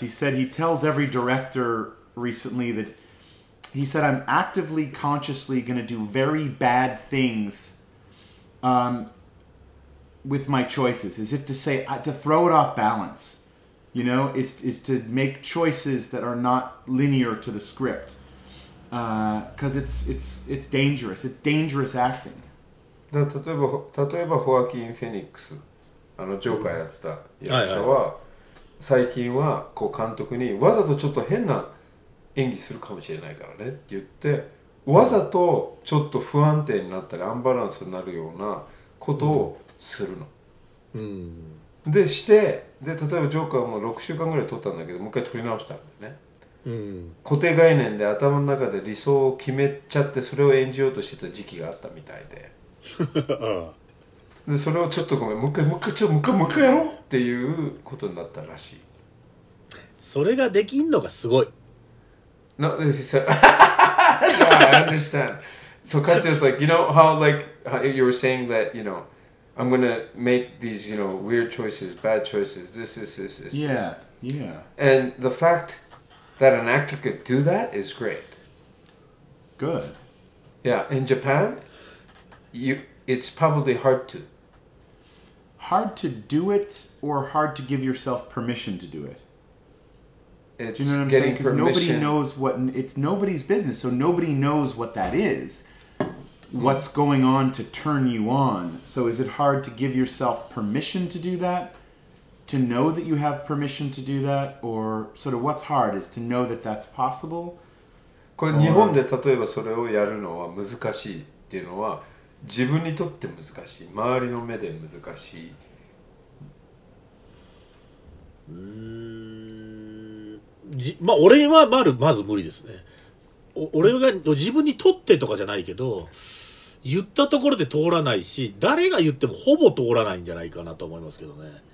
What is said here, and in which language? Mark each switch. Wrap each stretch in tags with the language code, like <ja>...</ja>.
<en>He said he tells every director recently that he said, I'm actively, consciously going to do very bad things with my choices, as if to say, to throw it off balance, you know, is to make choices that are not linear to the script, because it's dangerous. It's dangerous acting.</en> <ja>例えば、ホアキン・フェニックス、あのジョーカーやってた役者は、最近はこう監督にわざとちょっと変な演技するかもしれないからねって言って、わざとちょっと不安定になったりアンバランスになるようなことをするの、うん、でして、で例えばジョーカーも6週間ぐらい撮ったんだけどもう一回撮り直したんだよね、うん、固定概念で頭の中で理想を決めちゃってそれを演じようとしてた時期があったみたいで、でそれをちょっとごめんもう一回やろうっていうことになったらしい。それができんのがすごい。</ja> <en>No, this is so, yeah, I understand. So Katya's like, you know how like how you were saying that, you know, I'm going to make these, you know, weird choices, bad choices, this. Yeah, yeah. And the fact that an actor could do that is great. Good. Yeah, in Japan, it's probably hard to. Hard to do it or hard to give yourself permission to do it? It's, do you know what I'm saying? Because nobody knows what, it's nobody's business, so nobody knows what that is. What's going on to turn you on? So is it hard to give yourself permission to do that? To know that you have permission to do that? Or sort of what's hard is to know that that's possible?</en> <ja>これ日本で例えばそれをやるのは難しいっていうのは自分にとって難しい、周りの目で難しい。まあ、俺はまず無理ですね。俺が自分にとってとかじゃないけど、言ったところで通らないし、誰が言ってもほぼ通らないんじゃないかなと思いますけどね。</ja>